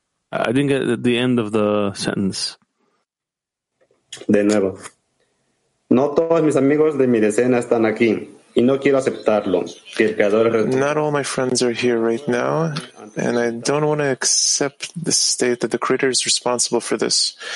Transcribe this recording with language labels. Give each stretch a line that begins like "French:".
English: I didn't get it at the end of the sentence.
Spanish: De nuevo. No todos mis amigos de mi decena están aquí y no quiero aceptarlo. Que el creador es responsable.
English: Not all my friends are here right now, and I don't want to accept the state that the creator is responsible for this.